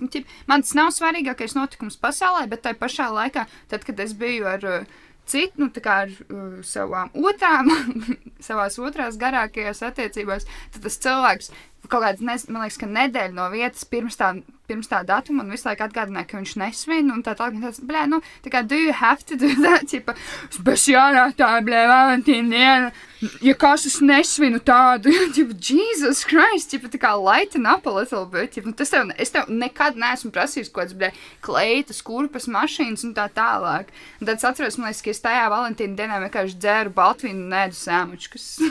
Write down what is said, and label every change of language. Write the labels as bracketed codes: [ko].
[lv] Nu, ķipa, man tas nav svarīgākais notikums pasaulē, bet tai pašā laikā, tad, kad es biju ar citu, nu, tā kā ar savām otrām, savās otrās garākajās attiecībās, tad tas cilvēks, kaut kāds, man liekas, ka nedēļa no vietas pirms tām pirms tā datuma un visu laiku atgādināja, ka viņš nesvin un tā tālāk. Un tāds, blē, nu, tā kā, [en] do you have to do that? [lv] Tipa, speciālā tā, blē, Valentīna diena. Ja kas es nesvinu tādu, tipa, Jesus Christ, tipa, tā kā, [en] lighten up a little bit. [lv] Tipa, tas tev, es tev nekad neesmu prasījis kaut kāds, blē, kleitas, kurpas, mašīnas un tā tālāk. Un tad es atceros, man liekas, ka es tajā Valentīna dienā vienkārši dzēru Baltvinu un ēdu sēmučkas.